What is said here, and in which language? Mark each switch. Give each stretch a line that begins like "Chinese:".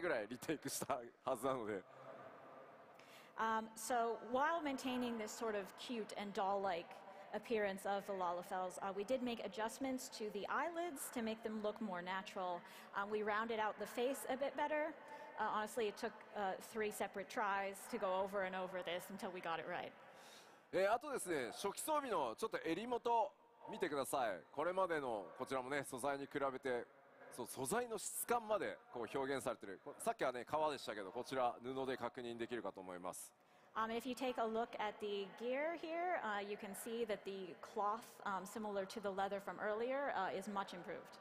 Japanese: かわいらしい、まあお人形のようなね雰囲気っていうのは維持しつつですね、まぶたのポリゴン、このまぶたの上にある丸みとかですね、寄り自然にしてですね、頬のラインはよりちょっと丸くね、綺麗に出るようにかなり細かく調整してます。3回ぐらいリテイクしたはずなので。
English: So while maintaining this sort of cute and doll-like appearance of the Lalafells, we did make adjustments to the eyelids to make them look more natural. We rounded out the face a bit better. Honestly, it took 3 separate tries to go over and over this until we got it right.
Japanese: あとですね、初期装備のちょっと襟元見てください。これまでのこちらもね、素材に比べて、そう素材の質感までこう表現されてる。さっきはね、革でしたけど、こちら布で確認できるかと思います。
English: If you take a look at the gear here, you can see that the cloth, similar to the leather from earlier, is much improved.